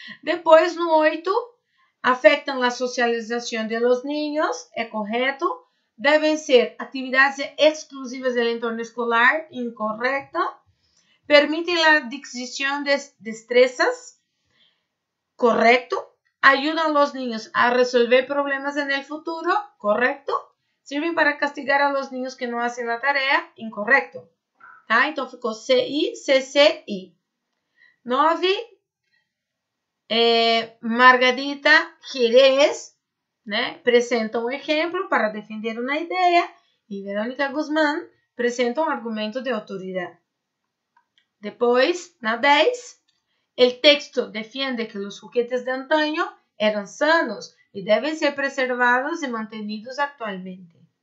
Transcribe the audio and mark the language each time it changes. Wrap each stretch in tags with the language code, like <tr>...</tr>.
<pt>Depois, no 8, afetam a socialização</pt> <es>de los niños,</es> <pt>é correto. Devem ser atividades exclusivas</pt> <es>del entorno escolar,</es> <pt>incorreto. Permitem a adquisição de destrezas, correto.</pt> <es>Ayudan los niños a resolver problemas en el futuro, correcto. Sirven para castigar a los niños que no hacen la tarea, incorrecto.</es> <pt>Tá? Então, ficou CI, CCI. 9, Margarita Jerez, né, apresenta um exemplo para defender uma ideia e Verônica Guzmán apresenta um argumento de autoridade. Depois, na 10, o texto defende que os</pt> <es>juguetes de antaño</es> <pt>eram sanos e devem ser preservados e mantenidos atualmente.</pt>